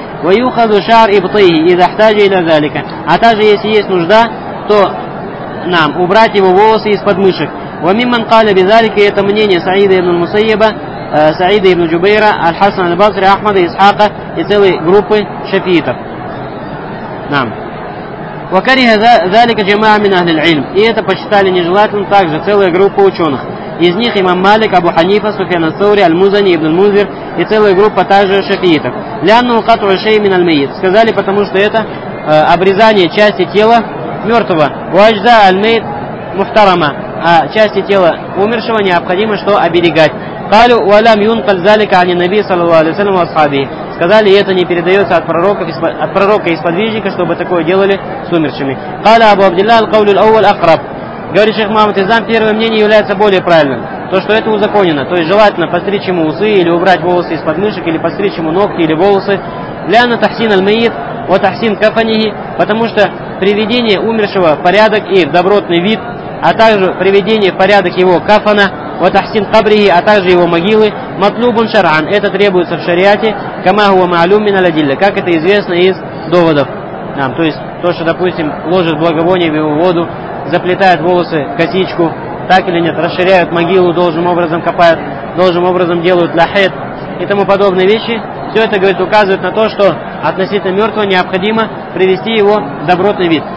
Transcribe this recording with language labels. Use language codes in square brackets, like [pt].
[ar] وَيُخَذُ شَعْرِ إِبْطَيْهِ إِذَا احْتَاجَ إِلَى ذَلِكَ. [ru] А также, если есть нужда, то нам убрать его волосы из-под мышек. [ar] وَمِمَّنْ قَالَ بِذَلِكَ. [ru] Это мнение Саида ибн Мусайеба, Саида ибн Джубейра, Аль-Хасан аль-Басри, Ахмада, Исхака и целой группы шафиитов. Нам. [ar] وكره ذلك جماعة من أهل العلم. [ru] И это посчитали нежелательным также целая группа ученых. Из них имам Малик, Абу Ханифа, Суфьян ас-Саури, Аль-Музани, Ибн Музир и целая группа также шафиитов. [ar] لأنه قطع شيء من الميت. [ru] Сказали, потому что это обрезание части тела мертвого. [ar] وأجزاء الميت محترمة. [ru] А части тела умершего необходимо что оберегать. [ar] قالوا ولم ينقل ذلك عن النبي صلى الله عليه وسلم وأصحابه. [ru] Сказали, это не передается от пророка и сподвижника, чтобы такое делали с умершими. [ar] قال أبو عبد الله القول الأول أقرب. [ru] Говорит шейх Мухаммад Хизам, первое мнение является более правильным. То, что это узаконено. То есть желательно постричь ему усы или убрать волосы из-под мышек, или постричь ему ногти или волосы. [ar] لأن تحسين الميت وتحسين كفنه. [ru] Потому что приведение умершего в порядок и в добротный вид, а также приведение в порядок его кафана, [ar] وتحسين قبره, [ru] а также его могилы, [ar] مطلوب شرعا. [ru] Это требуется в шариате, [ar] كما هو معلوم من الأدلة. [ru] Как это известно из доводов. Нам, то есть то, что, допустим, ложит благовоние в его воду, заплетает волосы, косичку, так или нет, расширяют могилу, должным образом копают, должным образом делают лахет и тому подобные вещи. Все это, говорит, указывает на то, что относительно мертвого необходимо привести его в добротный вид.